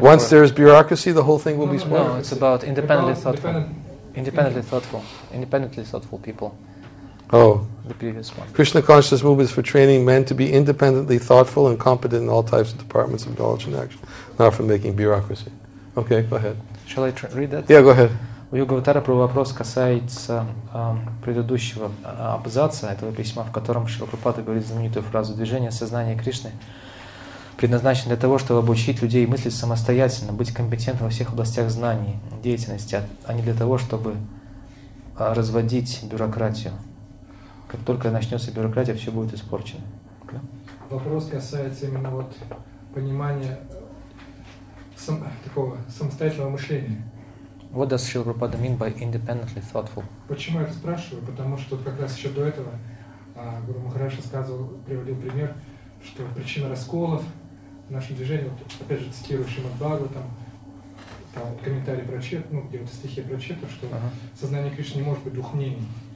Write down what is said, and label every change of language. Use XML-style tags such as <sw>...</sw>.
<en>Once there is bureaucracy, the whole thing will be spoiled. No, it's about independently thoughtful people. Oh. The previous one. Krishna consciousness movement is for training men to be independently thoughtful and competent in all types of departments of knowledge and action, not for making bureaucracy. Okay, go ahead. Shall I read that? Yeah, go ahead.</en> <ru>У Югаватара Прабхупада касается предыдущего абзаца этого письма, в котором Шрила Прабхупада говорит знаменитую фразу «Движение сознания Кришны предназначено для того, чтобы обучить людей мыслить самостоятельно, быть компетентным во всех областях знаний, деятельности, а не для того, чтобы разводить бюрократию. Как только начнется бюрократия, все будет испорчено».</ru> <en>Okay?</en> <ru>Вопрос касается именно вот понимания такого самостоятельного мышления.</ru> <en>What does Srila Prabhupada mean by independently thoughtful?</en> <ru>Почему я это спрашиваю? Потому что как раз еще до этого Гуру Махараш рассказывал, приводил пример, что причина расколов в нашем движении, вот, опять же цитирую Шримад-Бхагавату, там комментарии прочитал, ну где-то стихи прочитал, что сознание Кришны не может быть двух мнений.</ru>